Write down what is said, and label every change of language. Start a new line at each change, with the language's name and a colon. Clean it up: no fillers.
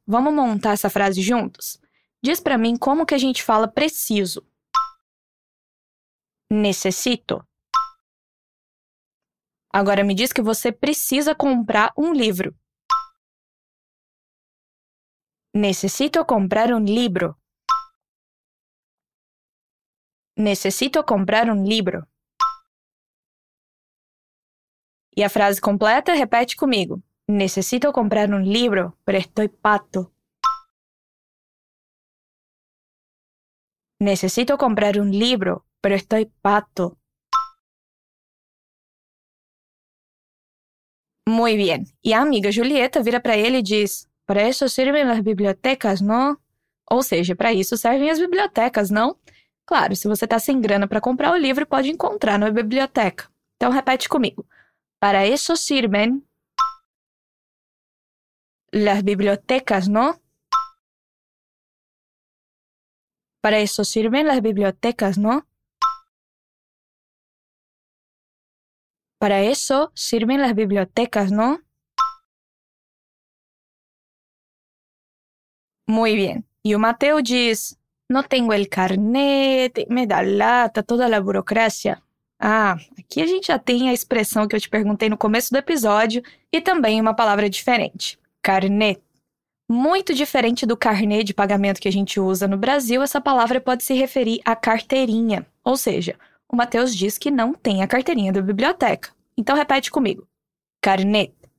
Portuguese: Vamos montar essa frase juntos? Diz para mim como que a gente fala preciso. Necessito. Agora me diz que você precisa comprar um livro. Necessito comprar um livro.
Spanish: Necesito comprar un libro. Y la frase completa, repite conmigo. Necesito comprar un libro, pero estoy pato. Necesito comprar un libro, pero estoy pato. Muy bien. Y amiga Julieta
Portuguese: vira para
Spanish: él y dice, para eso sirven las bibliotecas, ¿no? O sea, para eso sirven las bibliotecas, ¿no?
Portuguese: Claro, se você está sem grana para comprar o livro, pode encontrar na biblioteca. Então, repete comigo. Para isso
Spanish: sirven las bibliotecas, ¿no? Para isso sirven las bibliotecas, ¿no? Para isso sirven las bibliotecas, ¿no? Muy bien.
Portuguese: E o Mateo diz...
Spanish: No tengo el carnet, me da lata, toda la burocracia.
Portuguese: Ah, aqui a gente já tem a expressão que eu te perguntei no começo do episódio e também uma palavra diferente. Carnet. Muito diferente do carnet de pagamento que a gente usa no Brasil, essa palavra pode se referir à carteirinha. Ou seja, o Mateus diz que não tem a carteirinha da biblioteca. Então, repete comigo. Carnet.